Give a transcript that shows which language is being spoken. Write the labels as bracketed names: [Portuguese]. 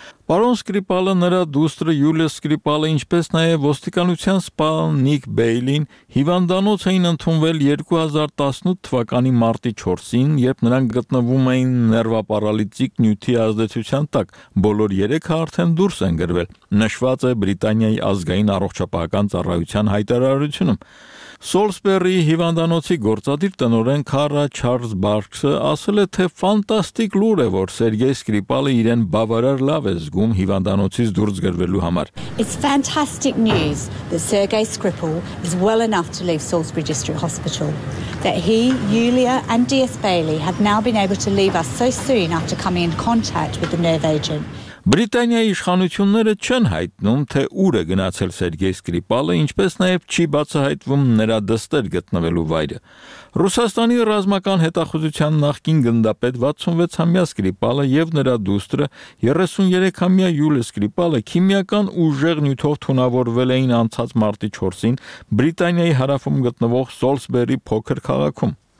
[Armenian] Պարոն Սկրիպալը, նրա դուստրը Յուլիա Սկրիպալը, ինչպես նաև ոստիկանության սպան Նիկ Բեյլին, հիվանդանոց էին ընդունվել 2018 թվականի մարտի 4-ին, երբ նրանք գտնվում էին նրվապարալիտիկ նյութի ազդեցության տակ, բոլոր 3-ը արդեն դուրս են գրվել, նշված է Բրիտանիայի ազգային առողջապահական ծառայության հայտարարությունում։ Սոլսբերի հիվանդանոցի գործադիր տնօրեն Քարա Չարլզ Բարքսը ասել է, թե ֆանտաստիկ լուր է, որ Սերգեյ Սկրիպալը իրեն բավարար լավ է զգում հիվանդանոցից դուրս գրվելու համար. [English] It's fantastic news that Sergei Skripal is well enough to leave Salisbury District Hospital. That he, Yulia and DS Bailey have now been able to leave us so soon after coming in contact with the nerve agent. [Armenian] Բրիտանիայի իշխանությունները չեն հայտնում, թե ուր է գնացել Սերգեյ Սկրիպալը, ինչպես նաև չի բացահայտվում նրա դստեր գտնվելու վայրը։ Ռուսաստանի ռազմական հետախուզության նախկին գնդապետ 66-ամյա Սկրիպալը եւ նրա դուստրը 33-ամյա Յուլիա Սկրիպալը քիմիական ուժեղ նյութով թունավորվել էին անցած մարտի 4-ին Բրիտանիայի հարավում գտնվող Սոլսբերի փոքր քաղաքում։